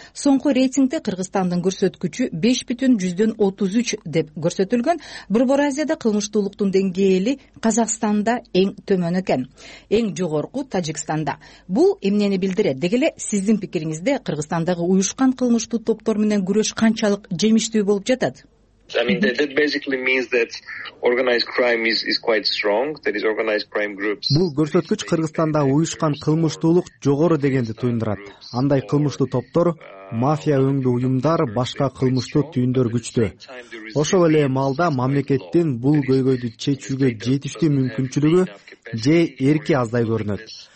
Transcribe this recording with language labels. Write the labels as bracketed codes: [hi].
[ky] Соңку рейтингде Кыргызстандын көрсөткүчү 5.133 деп көрсөтүлгөн. Борбор Азияда кылмыштуулуктун деңгээли Казакстанда эң төмөн экен. Эң жогорку Тажикстанда. Бул эмнени билдирет? Деги эле сиздин пикириңизде Кыргызстандагы уюшкан кылмыштуу топтор менен күрөш канчалык жемиштүү болуп жатат? [en] That basically means that organized crime is quite strong. That is organized crime groups. [ky] Бул көрсөткүч Кыргызстанда уюшкан кылмыштуулук жогору дегенди туюндурат. Андай кылмыштуу топтор, мафия өңдүү уюмдар, башка кылмыштуу түйүндөр күчтүү. Ошол эле маалда мамлекеттин бул көйгөйдү чечүүгө жетиштүү мүмкүнчүлүгү же эрки аздай көрүнөт.